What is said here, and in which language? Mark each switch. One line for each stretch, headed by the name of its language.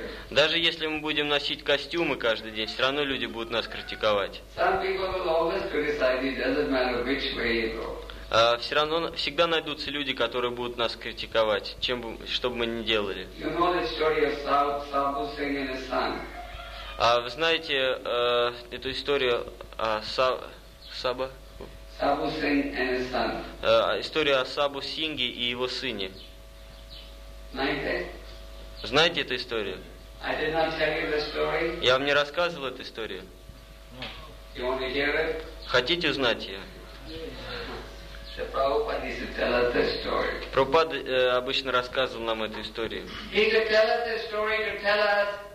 Russian: Даже если мы будем носить костюмы каждый день, все равно люди будут нас критиковать. Всегда найдутся люди, которые будут нас критиковать, что бы мы ни делали.
English: You know the story of Sabu Singh and his son.
Russian: Вы знаете эту историю о Саба? Сабу Сингхе и его сыне. История о Сабу Сингхе и его сыне. Знаете эту историю?
English: I did not tell you the story.
Russian: Я вам не рассказывал эту историю.
English: You want to hear it?
Russian: Хотите узнать ее?
English: So Prabhupada used to tell us this story.
Russian: Прабхупада обычно рассказывал нам эту историю.
English: He used to tell us this story to tell us.